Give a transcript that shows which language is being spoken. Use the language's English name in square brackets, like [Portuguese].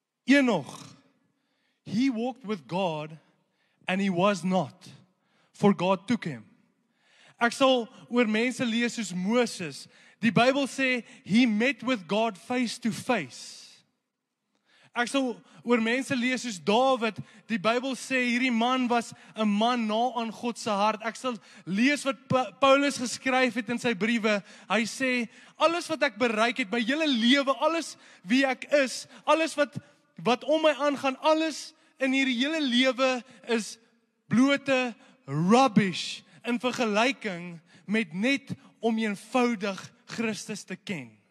[English] Enoch, he walked with God and he was not, for God took him. [Afrikaans] Ek sal oor mense lees soos Moses. Die Bybel sê, [English] he met with God face to face. [Afrikaans] Ek sal oor mense lees soos David. Die Bybel sê, hierdie man was 'n man na aan God se hart. Ek sal lees wat Paulus geskryf het in sy briewe. Hy sê, alles wat ek bereik het, my hele lewe, alles wie ek is, alles wat om my aangaan, alles in hierdie hele lewe is blote rubbish in vergelyking met net om eenvoudig Christus te ken.